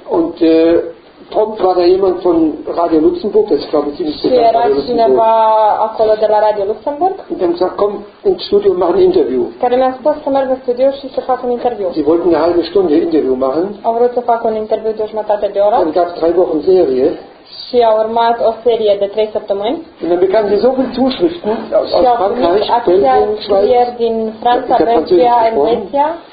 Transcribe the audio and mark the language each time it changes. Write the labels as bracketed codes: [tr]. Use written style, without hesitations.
[de] Und prompt war da jemand von Radio Luxemburg, das ist glaube ich ziemlich bekannt. [ro] Era cineva acolo de la Radio Luxemburg. [de] Und dann gesagt, komm ins Studio und mach ein Interview. [ro] Care mi-a spus să merg în studio și să fac un interviu. [de] Sie wollten eine halbe Stunde Interview machen. [ro] Au vrut să fac un interviu de o jumătate de oră. [de] Dann gab es drei Wochen Serie. [ro] Și a urmat o serie de 3 săptămâni. [de] Und dann bekam sie so viele Zuschriften aus Frankreich, Belgien, Schweiz, [ro] din Franța, Belgia, Elveția,